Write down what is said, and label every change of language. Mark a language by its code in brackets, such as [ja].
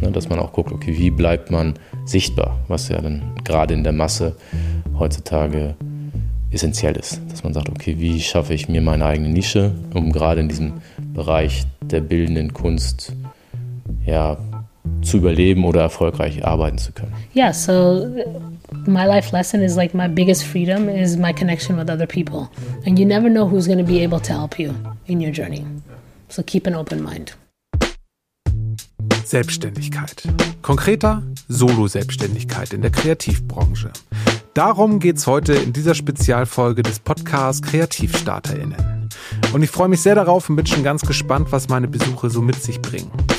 [de] Ja, dass man auch guckt, okay, wie bleibt man sichtbar, was ja dann gerade in der Masse heutzutage essentiell ist. Dass man sagt, okay, wie schaffe ich mir meine eigene Nische, um gerade in diesem Bereich der bildenden Kunst ja, zu überleben oder erfolgreich arbeiten zu können. [en] Yeah, so my life lesson is like my biggest freedom is my connection with other people. And you never know who's going to be able to help you in your journey. So keep an open mind. [de] Selbstständigkeit. Konkreter Solo-Selbstständigkeit in der Kreativbranche. Darum geht's heute in dieser Spezialfolge des Podcasts KreativstarterInnen. Und ich freue mich sehr darauf und bin schon ganz gespannt, was meine Besuche so mit sich bringen.